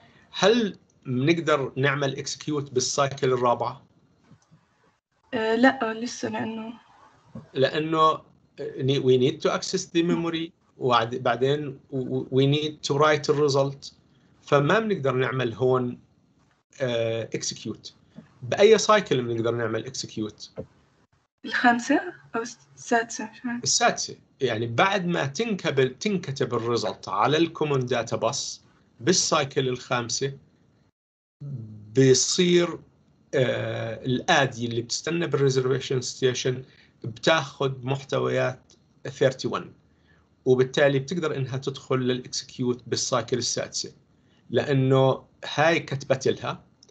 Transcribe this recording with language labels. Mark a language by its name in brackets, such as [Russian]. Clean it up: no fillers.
[Arabic] هل منقدر نعمل إكسكيوت بالسايكل الرابعة؟ لا لسه، لأنه [English] we need to access the memory [Arabic] وبعدين [English] we need to write the result، [Arabic] فما بنقدر نعمل هون [English] execute. [Arabic] بأي سايكل بنقدر نعمل execute؟ الخامسة أو السادسة؟ السادسة، يعني بعد ما تنكتب الريزلت على الكومون داتا بس بالسايكل الخامسة بيصير الآدي اللي بتستنى بالريزرفيشن ستيشن بتاخد محتويات 31، وبالتالي بتقدر إنها تدخل للإكسكيوت بالسايكل السادسة، لانه هاي كتبت لها،